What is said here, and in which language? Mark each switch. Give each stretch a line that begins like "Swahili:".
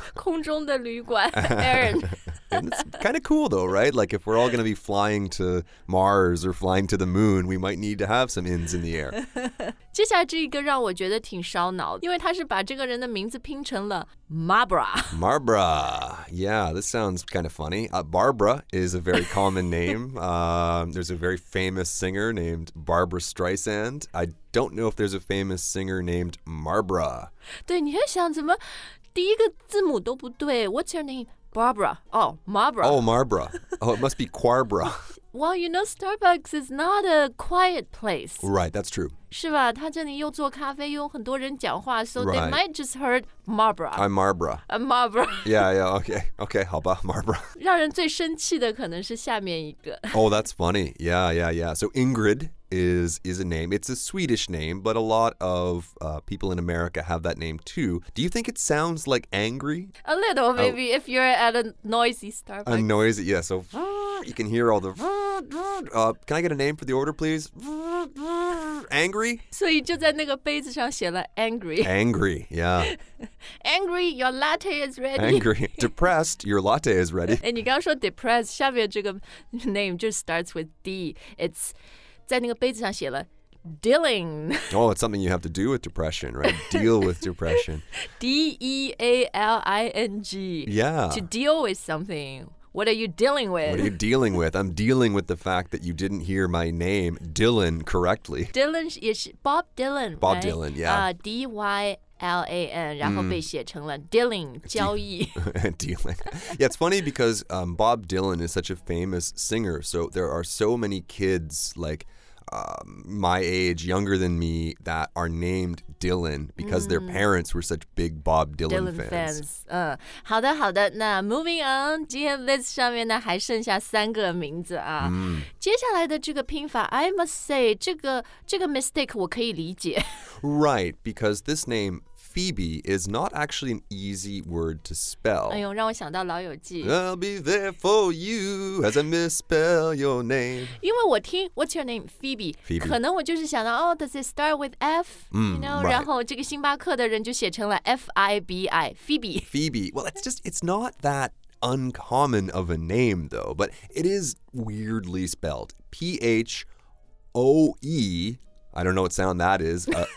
Chinese: 空中的旅馆 Aaron.
English: It's kind of cool though, right? Like if we're all going to be flying to Mars or flying to the moon, we might need to have some inns in the air.
Chinese: 接下来这一个让我觉得挺烧脑，因为他是把这个人的名字拼成了 Marbra.
English: Yeah, this sounds kind of funny. Barbara is a very common name. There's a very famous singer named Barbara Streisand. I don't know if there's a famous singer named Marbra.
Chinese: 对，你在想怎么第一个字母都不对 ？
English: What's your name? Barbara. Oh, Marbra. Oh, Marbra. Oh, it must be Quarbra. Well, you know, Starbucks is not a quiet place. Right, that's true.
Chinese: 是吧？他这里又做咖啡，又有很多人讲话 ，
English: so they might just heard Marbra. I'm Marbra. I'm Marbra. Yeah, okay,
Chinese: 好吧
English: ，Marbra.
Chinese: 让人最生气的可能是下面一个。
English: Oh, that's funny. Yeah. So Ingrid is a name. It's a Swedish name, but a lot of people in America have that name too. Do you think it sounds like angry? A little, maybe, if you're at a noisy Starbucks. A noisy, yeah. So you can hear all the. Can I get a name for the order, please? Angry?
Chinese: 所以就在那个杯子上写了 angry.
English: Angry, yeah. Angry, your latte is ready. Angry. Depressed, your latte is ready. And
Chinese: 你刚刚说
English: depressed,
Chinese: 下面这个
English: name just starts with D.
Chinese: It's 在那个杯子上写了 dealing.
English: Oh, it's something you have to do with depression, right? Deal with depression. D-E-A-L-I-N-G. Yeah. To deal with something. What are you dealing with? What are you dealing with? I'm dealing with the fact that you didn't hear my name, Dylan, correctly. Dylan is Bob Dylan, Bob right? Dylan, yeah.
Chinese: D-Y-L-A-N, 然后被写成了 Dealing, 交易
English: Dealing. Yeah, it's funny because Bob Dylan is such a famous singer, so there are so many kids like... my age, younger than me, that are named Dylan because their parents were such big Bob Dylan fans.
Chinese: 好的好的，那
English: moving on,
Chinese: 今天 list 上面呢还剩下三个名字啊。接下来的这个拼法
English: I must say,
Chinese: 这个 mistake 我可以理解。
English: Right, because this name Phoebe is not actually an easy word to spell.
Chinese: 哎呦，让我想到老友记。
English: I'll be there for you as I misspell your name.
Chinese: 因为我听
English: What's your name, Phoebe? Phoebe.
Chinese: 可能我就是想到哦 ，
English: Does it start with F? You know,
Chinese: 然后这个星巴克的人就写成了 F-I-B-I, Phoebe.
English: Phoebe. Well, it's not that uncommon of a name though, but it is weirdly spelled. P-H-O-E. I don't know what sound that is.